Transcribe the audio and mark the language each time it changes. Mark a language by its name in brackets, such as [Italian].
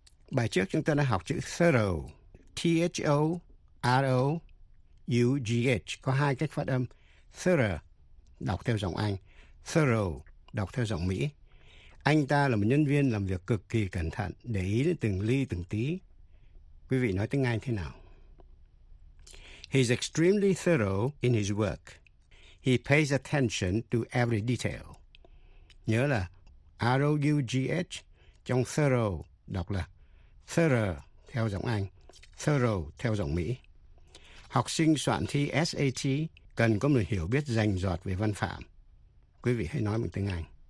[Vietnamese] Bài trước chúng ta đã học chữ thorough, T-H-O R-O-U-G-H, có hai cách phát âm. Thorough, đọc theo giọng Anh. Thorough, đọc theo giọng Mỹ. Anh ta là một nhân viên làm việc cực kỳ cẩn thận, để ý đến từng ly từng tí. Quý vị nói tiếng Anh thế nào? [English] He's extremely thorough in his work. He pays attention to every detail. [Vietnamese] Nhớ là R-O-U-G-H, trong thorough, đọc là thorough, theo giọng Anh. Thorough, theo giọng Mỹ. Học sinh soạn thi SAT cần có một hiểu biết rành rọt về văn phạm. quý vị hãy nói bằng tiếng Anh.